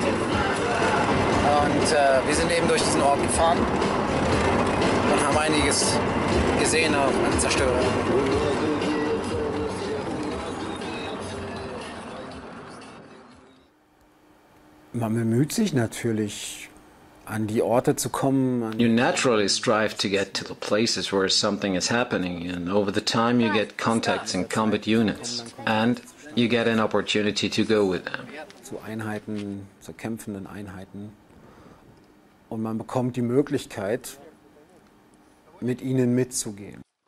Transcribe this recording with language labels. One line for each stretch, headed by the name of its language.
German: Und wir sind eben durch diesen Ort gefahren und haben einiges gesehen an Zerstörung. Man bemüht sich natürlich, an die Orte zu kommen.
English: You naturally strive to get to the places where something is happening, and over the time you get contacts in combat units, and you get an opportunity to go with them.
German: Zu Einheiten, zu kämpfenden Einheiten, und man bekommt die Möglichkeit, mit ihnen mitzugehen.